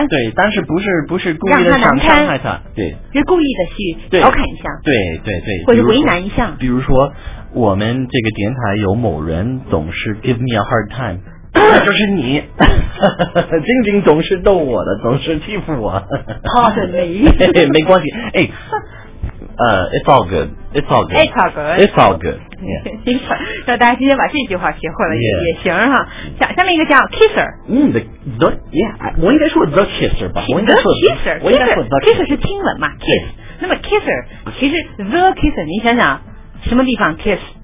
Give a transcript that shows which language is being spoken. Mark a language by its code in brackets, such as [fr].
[zh] 对，但是不是故意的想伤害他。对。是故意的去调侃一下。对。或者为难一下。比如说，我们这个电台有某人总是 [en] give me a hard time。 [zh] 那就是你，晶晶总是逗我的，总是欺负我。怕的你，没关系，哎， [en] it's all good, it's all good, it's all good, it's all good. Yeah. [zh] 那大家今天把这句话学会了 yeah. 也行哈。下面一个叫 kisser。 [en] The yeah， [zh] 我应该说 [en] the kisser [zh] 吧，我应该说 [en] kisser， [zh] 我应该说 the kisser 是亲吻嘛 ，kiss。那么 kisser 其实 the kisser， 你想想什么地方 kiss？